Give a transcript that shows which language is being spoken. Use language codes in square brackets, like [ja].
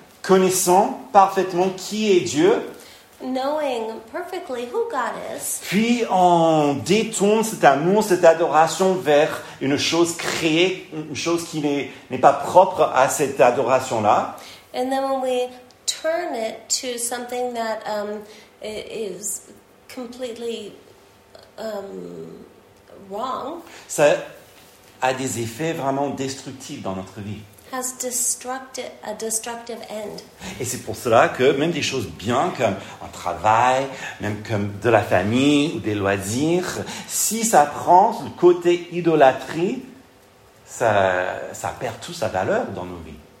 [fr] Connaissant parfaitement qui est Dieu, [en] knowing perfectly who God is, [fr] puis on détourne cet amour, cette adoration vers une chose créée, une chose qui n'est pas propre à cette adoration-là. [en] And then when we turn it to something that is completely wrong, [fr] ça a des effets vraiment destructifs dans notre vie. [en] Has a destructive end. [fr] Et c'est pour cela que même des choses bien comme un travail, même comme de la famille ou des loisirs, si ça prend le côté idolâtrie, ça perd toute sa valeur dans nos vies.